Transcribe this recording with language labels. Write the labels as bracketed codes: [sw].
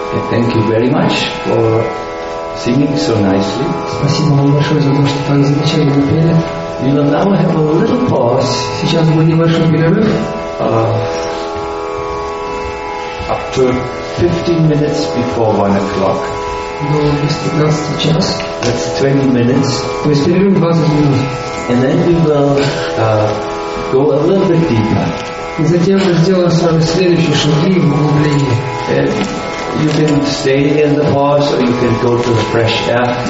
[en] Thank you very much for singing so nicely. [ru] Спасибо вам большое за то, что так замечательно пели. [en] We will now have a little pause. [ru] Сейчас мы небольшой перерыв. [en] Up to 15 minutes before 1 o'clock. [ru] До 15 час. [en] That's 20 minutes. [ru] То есть перерыв 20 минут. [en] And then we will go a little bit deeper. [ru] И затем мы сделаем с вами следующие шаги в углублении. [en] You can stay in the pause, or you can go to the fresh air.